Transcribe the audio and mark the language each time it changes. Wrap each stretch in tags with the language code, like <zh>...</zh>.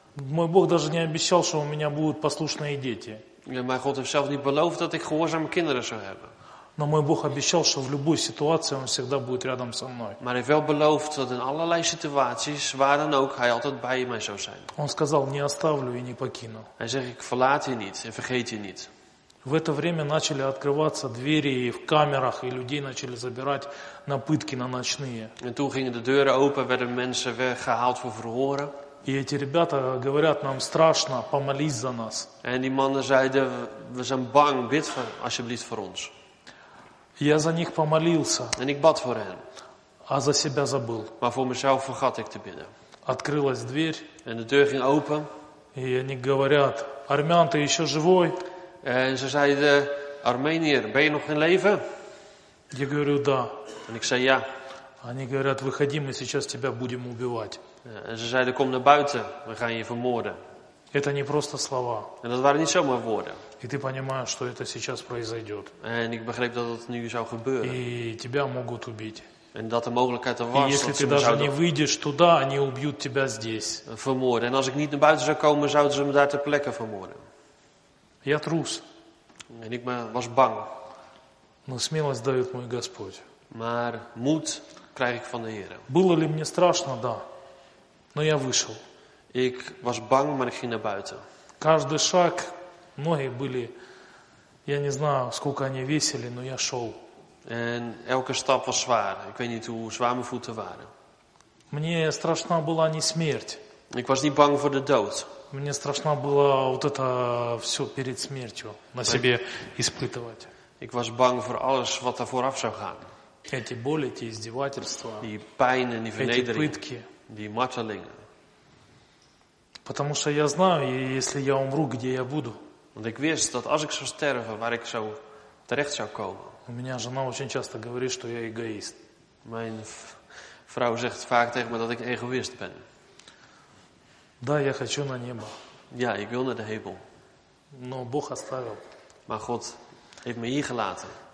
<ru>Мой Бог даже не обещал, что у меня будут послушные дети.</ru> <nl>Mijn God heeft zelf niet beloofd dat ik gehoorzame kinderen zou hebben.</nl> <ru>Но мой Бог обещал, что в любой ситуации он всегда будет рядом со мной.</ru> <nl>Maar hij heeft wel beloofd dat in allerlei situaties, waar dan ook, hij altijd bij mij zou zijn.</nl> <ru>Он сказал: "Не оставлю и не покину".</ru> <nl>Hij zegt: "Ik verlaat je niet en vergeet je niet".</nl> <ru>В это время начали открываться двери в камерах, и людей начали забирать на пытки, на ночные.</ru> <nl>En toen gingen de deuren open, werden mensen weggehaald voor verhoren.</nl> <ru>И эти ребята говорят нам: "Страшно, помолись за нас".</ru> <nl>En die mannen zeiden: "We zijn bang, bid voor, alsjeblieft voor ons".</nl> <ru>Я за них помолился.</ru> <nl>En ik bad voor hen.</nl> <ru>А за себя забыл.</ru> <nl>Maar voor mezelf vergat ik te bidden.</nl> <ru>Открылась дверь.</ru> <nl>En de deur ging open.</nl> <ru>И они говорят: "Армян, ты еще живой?"</ru> <nl>En ze zeiden: "Armenier, ben je nog in leven?"</nl> <ru>Я говорю: "Да".</ru> <nl>En ik zei: "Ja".</nl> <ru>Они говорят: "Выходи, мы сейчас тебя будем убивать".</ru> <nl>En ze zeiden: "Kom naar buiten, we gaan je vermoorden".</nl> <ru>Это не просто слова.</ru> <nl>En dat waren niet zomaar woorden.</nl> <ru>И ты понимаешь, что это сейчас произойдет.</ru> <nl>En ik begreep dat het nu zou gebeuren.</nl> <ru>И тебя могут убить.</ru> <nl>En dat de mogelijkheid er was.</nl> <ru>И если ты даже не выйдешь туда, они убьют тебя здесь.</ru> <nl>Vermoorden. En als ik niet naar buiten zou komen, zouden ze me daar ter plekke vermoorden.</nl> <ru>Я трус.</ru> <nl>En ik was bang.</nl> <ru>Но смелость дает мой Господь.</ru> <nl>Maar moed krijg ik van de Heer.</nl> <ru>Было ли мне страшно? Да. Но я вышел.</ru> <nl>Ik was bang, maar ik ging naar buiten.</nl> <ru>Каждый шаг, ноги были, я не знаю, сколько они весили, но я шел.</ru> <nl>En elke stap was zwaar. Ik weet niet hoe zwaar mijn voeten waren.</nl> <ru>Мне страшна была не смерть.</ru> <nl>Ik was niet bang for the dood.</nl> <ru>Мне страшна была вот это все перед смертью на себе испытывать.</ru> <nl>Ik was bang for alles wat er vooraf zou gaan.</nl> <ru>Эти боли, эти издевательства.</ru> <nl>Die pijn en die vernedering.</nl> <ru>Эти пытки.</ru> <nl>Die martelingen.</nl> <ru>Потому что я знаю, если я умру, где я буду.</ru> <nl>Want ik wist dat als ik zou sterven, waar ik zou terecht zou komen.</nl> <ru>У меня жена очень часто говорит, что я эгоист.</ru> <nl>Mijn vrouw zegt vaak tegen me dat ik egoïst ben.</nl> <ru>Да, я хочу на небо.</ru> <nl>Ja, ik wil naar de hemel.</nl> <ru>Но Бог оставил.</ru> <nl>Maar God heeft me hier gelaten.</nl>